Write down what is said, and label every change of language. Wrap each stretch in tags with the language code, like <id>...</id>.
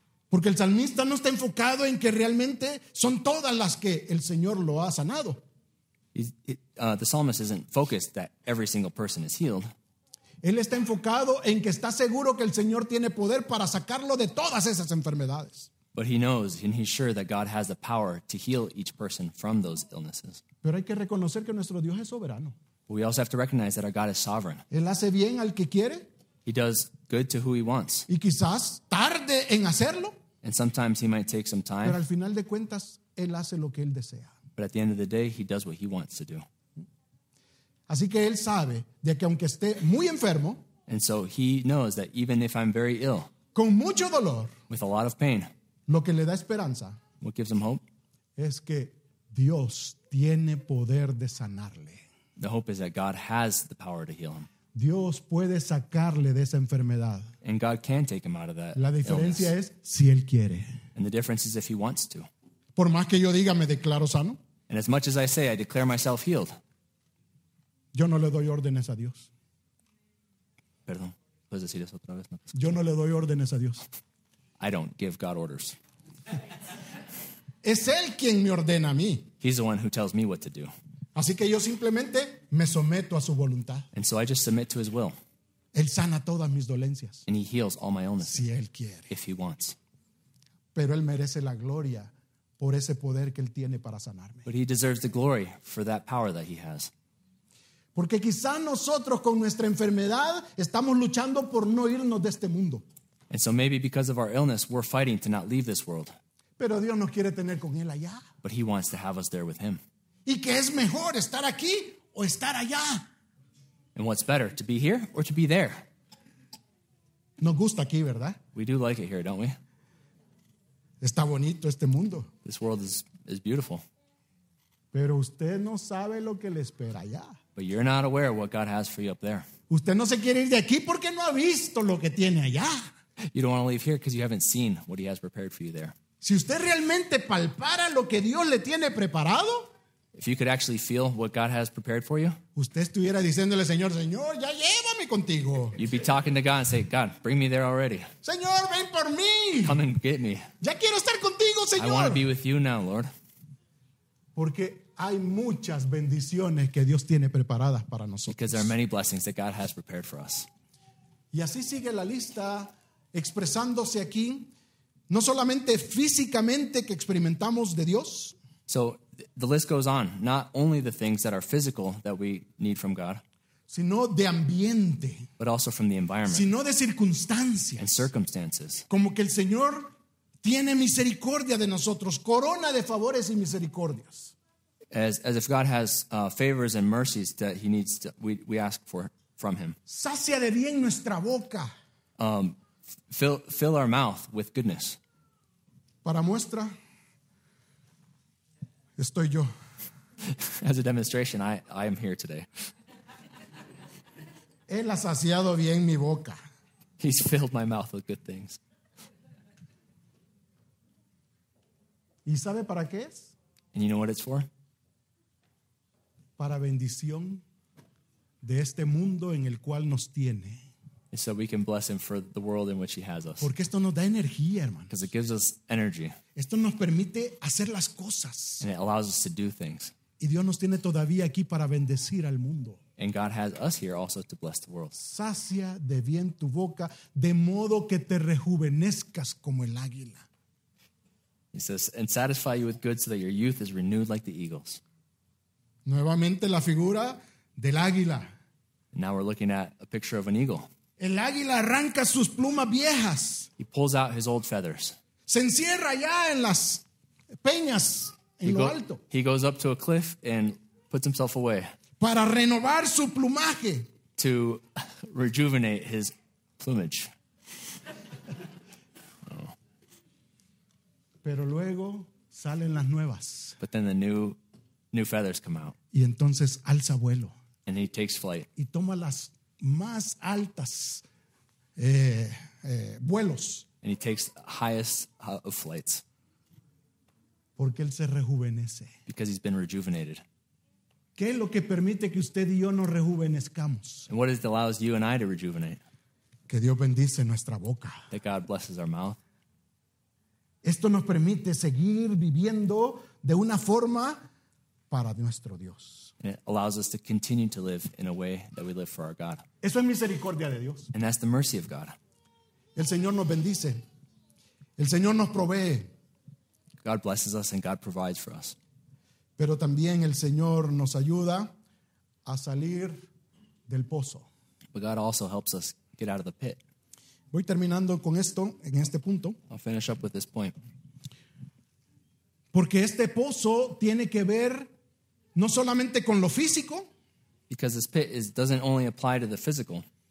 <es>Porque el salmista no está enfocado en que realmente son todas las que el Señor lo ha sanado.</es> <en>The psalmist isn't focused that every single person is healed.</en> <es>Él está enfocado en que está seguro que el Señor tiene poder para sacarlo de todas esas enfermedades.</es> <en>But he knows and he's sure that God has the power to heal each person from those illnesses.</en> <es>Pero hay que reconocer que nuestro Dios es soberano.</es> <en>We also have to recognize that our God is sovereign.</en> <es>Él hace bien al que quiere.</es> <en>He does good to who he wants.</en> <es>Y quizás tarde en hacerlo.</es> <en>And sometimes he might take some time.</en> <es>Pero al final de cuentas, él hace lo que él desea.</es> <en>But at the end of the day, he does what he wants to do.</en> <es>Así que él sabe de que aunque esté muy enfermo,</es> <en>and so he knows that even if I'm very ill,</en> <es>con mucho dolor,</es> <en>with a lot of pain,</en> <es>lo que le da esperanza,</es> <en>what gives him hope,</en> <es>es que Dios tiene poder de sanarle.</es> <en>The hope is that God has the power to heal him.</en> <es>Dios puede sacarle de esa enfermedad.</es> <en>And God can take him out of that.</en> <es>La diferencia</es> <en>illness.</en> <es>Es si él quiere.</es> <en>And the difference is if he wants to.</en> <es>Por más que yo diga, me declaro sano.</es> <en>And as much as I say, I declare myself healed.</en> <es>Yo no le doy órdenes a Dios. Perdón, ¿puedes decir eso otra vez? No, yo no le doy órdenes a Dios.</es> <en>I don't give God orders.</en> <es>Es él quien me ordena a mí.</es> <en>He's the one who tells me what to do.</en> <es>Así que yo simplemente me someto a su voluntad.</es> <en>And so I just submit to his will.</en> <es>Él sana todas mis dolencias.</es> <en>And he heals all my illnesses.</en> <es>Si él quiere.</es> <en>If he wants.</en> <es>Pero él merece la gloria por ese poder que él tiene para sanarme.</es> <en>But he deserves the glory for that power that he has.</en> <es>Porque quizá nosotros con nuestra enfermedad estamos luchando por no irnos de este mundo.</es> <en>And so maybe because of our illness, we're fighting to not leave this world.</en> <es>Pero Dios nos quiere tener con él allá.</es> <en>But he wants to have us there with him.</en> <es>¿Y qué es mejor, estar aquí o estar allá?</es> <en>And what's better, to be here or to be there?</en> <es>Nos gusta aquí, ¿verdad?</es> <en>We do like it here, don't we?</en> <es>Está bonito este mundo.</es> <en>This world is beautiful.</en> <es>Pero usted no sabe lo que le espera allá.</es> <en>But you're not aware of what God has for you up there.</en> <es>Usted no se quiere ir de aquí porque no ha visto lo que tiene allá.</es> <en>You don't want to leave here because you haven't seen what he has prepared for you there.</en> <es>Si usted realmente palpara lo que Dios le tiene preparado,</es> <en>if you could actually feel what God has prepared for you,</en> <es>usted estuviera diciéndole, Señor, Señor, ya llévame contigo.</es> <en>You'd be talking to God and say, God, bring me there already.</en> <es>Señor, ven por mí.</es> <en>Come and get me.</en> <es>Ya quiero estar contigo, Señor.</es> <en>I want to be with you now, Lord.</en> <es>Porque hay muchas bendiciones que Dios tiene preparadas para nosotros.</es> <en>Because there are many blessings that God has prepared for us.</en> <es>Y así sigue la lista expresándose aquí, no solamente físicamente que experimentamos de Dios.</es> <en>So the list goes on, not only the things that are physical that we need from God,</en> <es>sino de ambiente,</es> <en>but also from the environment,</en> <es>sino de circunstancias,</es> <en>and circumstances.</en> <es>Como que el Señor tiene misericordia de nosotros, corona de favores y misericordias.</es> <en>As if God has favors and mercies that he needs to, we ask for from him.</en> <es>Sacia de bien nuestra boca.</es> <en>Fill our mouth with goodness.</en> <es>Para muestra, estoy yo.</es> <en>As a demonstration, I am here today.</en> <es>Él ha saciado bien mi boca.</es> <en>He's filled my mouth with good things.</en> <es>¿Y sabe para qué es?</es> <en>And you know what it's for?</en> <es>Para bendición de este mundo en el cual nos tiene.</es> <en>So we can bless him for the world in which he has us.</en> <es>Porque esto nos da energía, hermanos.</es> <en>Because it gives us energy.</en> <es>Esto nos permite hacer las cosas.</es> <en>And it allows us to do things.</en> <es>Y Dios nos tiene todavía aquí para bendecir al mundo.</es> <en>And God has us here also to bless the world.</en> <es>Sacia de bien tu boca, de modo que te rejuvenezcas como el águila.</es> <en>He says, and satisfy you with good so that your youth is renewed like the eagles.</en> <es>Nuevamente la figura del águila.</es> <en>Now we're looking at a picture of an eagle.</en> <es>El águila arranca sus plumas viejas.</es> <en>He pulls out his old feathers.</en> <es>Se encierra ya en las peñas, en lo alto.</es> <en>He goes up to a cliff and puts himself away.</en> <es>Para renovar su plumaje.</es> <en>To rejuvenate his plumage.</en> <es>Pero luego salen las nuevas.</es> <en>But then the new feathers come out.</en> <es>Y entonces alza vuelo.</es> <en>And he takes flight.</en> <es>Y toma las más altas vuelos.</es> <en>And he takes the highest of flights.</en> <es>Porque él se rejuvenece.</es> <en>Because he's been rejuvenated.</en> <es>¿Qué es lo que permite que usted y yo nos rejuvenezcamos?</es> <en>And what is it that allows you and I to rejuvenate?</en> <es>Que Dios bendice nuestra boca.</es> <en>That God blesses our mouth.</en> <es>Esto nos permite seguir viviendo de una forma para nuestro Dios.</es> <en>And it allows us to continue to live in a way that we live for our God.</en> <es>Eso es misericordia de Dios.</es> <en>And that's the mercy of God.</en> <es>El Señor nos bendice. El Señor nos provee.</es> <en>God blesses us and God provides for us.</en> <es>Pero también el Señor nos ayuda a salir del pozo.</es> <en>But God also helps us get out of the pit.</en> <es>Voy terminando con esto, en este punto.</es> <en>I'll finish up with this point.</en> <es>Porque este pozo tiene que ver no solamente con lo físico.</es> <en>Because this pit doesn't only apply to the physical.</en>